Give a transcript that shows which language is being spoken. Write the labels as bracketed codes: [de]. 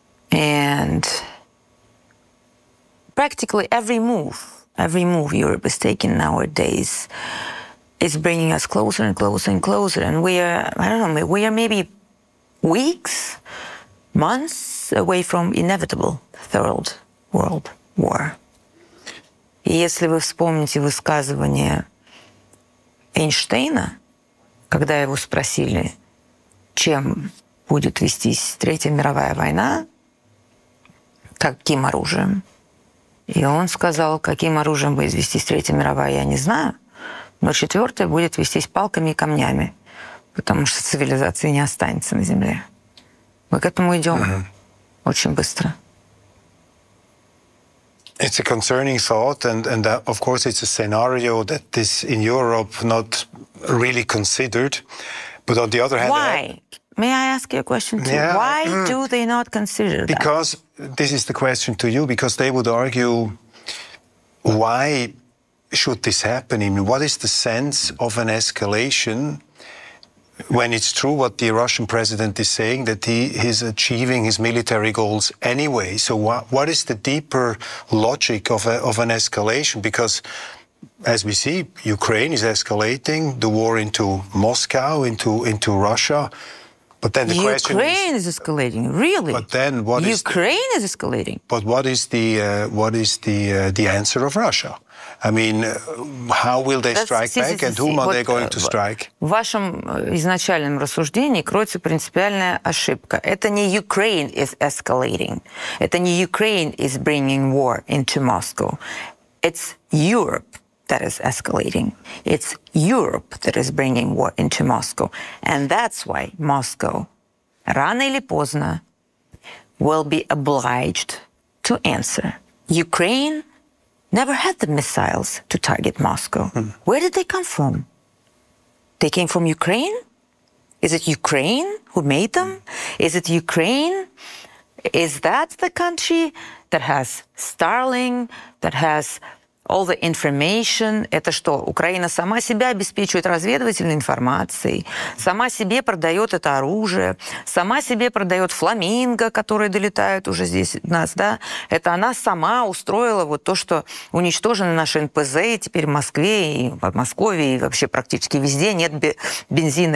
[en] And practically every move Europe is taking nowadays is bringing us closer and closer and closer. And we are maybe weeks, months away from inevitable Third World War. [ru] Если вы вспомните высказывание Эйнштейна, когда его спросили, чем будет вестись Третья мировая война, каким оружием, и он сказал, каким оружием будет вестись Третья мировая, я не знаю, но четвертая будет вестись палками и камнями, потому что цивилизации не останется на Земле. Мы к этому идем очень быстро. [en] It's a concerning thought, and that, of course, it's a scenario that is in Europe not really considered. But on the other hand, why? May I ask you a question too? Yeah. Why do they not consider that? Because this is the question to you. Because they would argue, why should this happen? I mean, what is the sense of an escalation when it's true what the Russian president is saying, that he is achieving his military goals anyway? So what is the deeper logic of an escalation? Because as we see, Ukraine is escalating the war into Moscow, into Russia. But then the question is, Ukraine is escalating, really? But then what is Ukraine is escalating? But what is the answer of Russia? I mean, how will they strike back, and whom are they going to strike? [ru] В вашем изначальном рассуждении кроется принципиальная ошибка. Это не [en] Ukraine is escalating. [ru] Это не [en] Ukraine is bringing war into Moscow. It's Europe that is escalating. It's Europe that is bringing war into Moscow. And that's why Moscow, [ru] рано или поздно, [en] will be obliged to answer. Ukraine never had the missiles to target Moscow. Where did they come from? They came from Ukraine? Is it Ukraine who made them? Is it Ukraine? Is that the country that has Starlink, that has all the information? [ru] Это что, Украина сама себя обеспечивает разведывательной информацией, сама себе продает это оружие, сама себе продает фламинго, которые долетают уже здесь от нас, да? Это она сама устроила вот то, что уничтожены наши НПЗ, и теперь в Москве и в Подмосковье, и вообще практически везде нет бензина.